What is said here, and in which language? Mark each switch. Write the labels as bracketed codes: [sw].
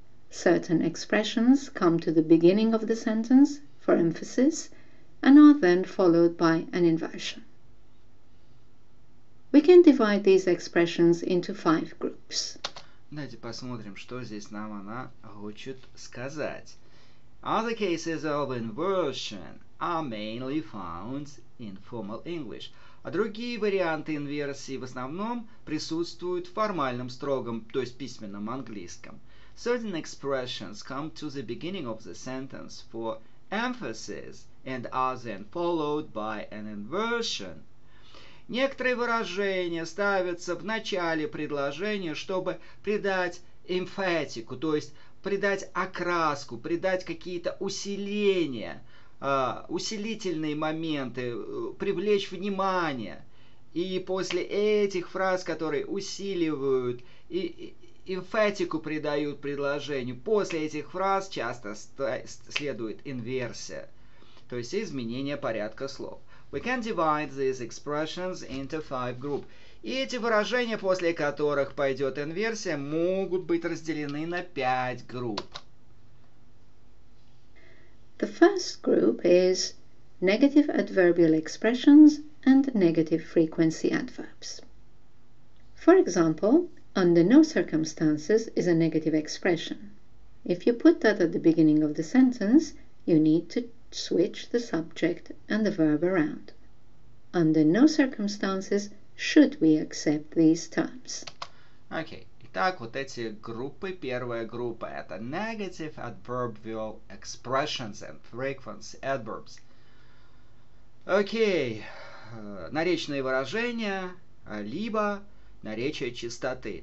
[en] Certain expressions come to the beginning of the sentence for emphasis and are then followed by an inversion. We can divide these expressions into five groups. [ru] Давайте посмотрим, что здесь нам она хочет сказать. [en] Other cases of inversion are mainly found in formal English. [ru] А другие варианты инверсии в основном присутствуют в формальном, строгом, то есть письменном английском. [en] Certain expressions come to the beginning of the sentence for emphasis and are then followed by an inversion. [ru] Некоторые выражения ставятся в начале предложения, чтобы придать эмфатику, то есть придать окраску, придать какие-то усиления, усилительные моменты, привлечь внимание. И после этих фраз, которые усиливают и эмфатику придают предложению, после этих фраз часто следует инверсия, то есть изменение порядка слов. [en] We can divide these expressions into five groups. [ru] И эти выражения, после которых пойдет инверсия, могут быть разделены на пять групп. [en] The first group is negative adverbial expressions and negative frequency adverbs. For example, under no circumstances is a negative expression. If you put that at the beginning of the sentence, you need to switch the subject and the verb around. Under no circumstances should we accept these terms. [ru] Okay, итак, вот эти группы. Первая группа – это [en] negative adverbial expressions and frequency adverbs. [ru] Окей, наречные выражения, либо наречие чистоты.